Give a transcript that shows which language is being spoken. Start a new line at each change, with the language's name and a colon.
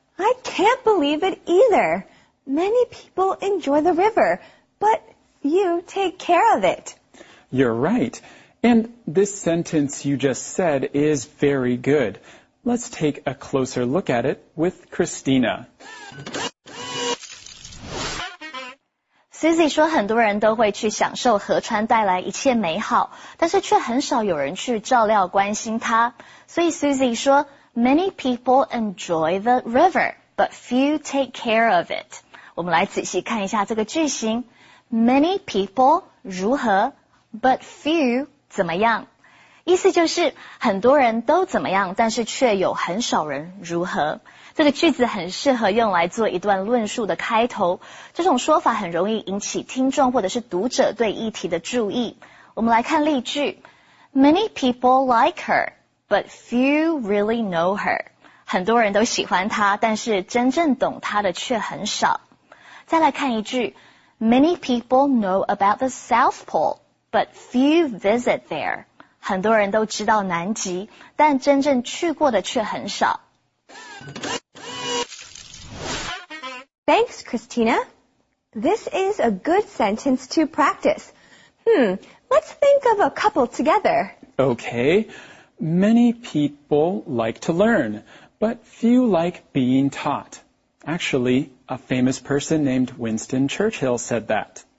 English: I can't believe it either. Many people enjoy the river, but few take care of it. You're right. And this sentence you just said is very good. Let's take a closer look at it with Christina.
Chinese: Susie 说很多人都会去享受河川带来一切美好，但是却很少有人去照料关心它。所以 Susie 说
English: Many people enjoy the river, but few take care of it.
Chinese: 我们来仔细看一下这个句型。
English: Many people
Chinese: 如何
English: ,but few
Chinese: 怎么样。意思就是很多人都怎么样，但是却有很少人如何。这个句子很适合用来做一段论述的开头。这种说法很容易引起听众或者是读者对议题的注意。我们来看例句。
English: Many people like her, but few really know her.
Chinese: 很多人都喜欢她，但是真正懂她的却很少。再来看一句。
English: Many people know about the South Pole, but few visit there.
Chinese: 很多人都知道南极，但真正去过的却很少。
English: Thanks, Christina. This is a good sentence to practice. Let's think of a couple together. Okay. Many people like to learn, but few like being taught. Actually, a famous person named Winston Churchill said that.